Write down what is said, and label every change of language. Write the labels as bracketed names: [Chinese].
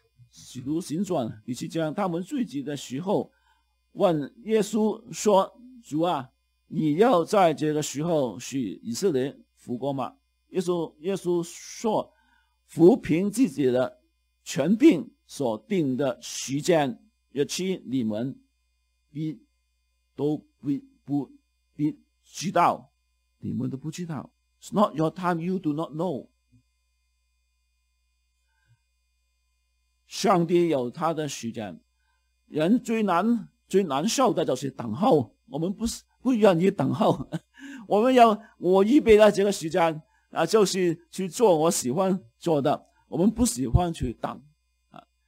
[Chinese] 使徒行传第七章，他们聚集的时候问耶稣说，主啊，你要在这个时候使以色列复国吗？耶稣说，扶贫自己的权柄所定的时间日期，你们必都不知道，你们都不知道。 [English] It's not your time, you do not know. [Chinese] 上帝有他的时间，人最难最难受的就是等候，我们不愿意等候。我们要我预备了这个时间啊，就是去做我喜欢做的，我们不喜欢去等啊。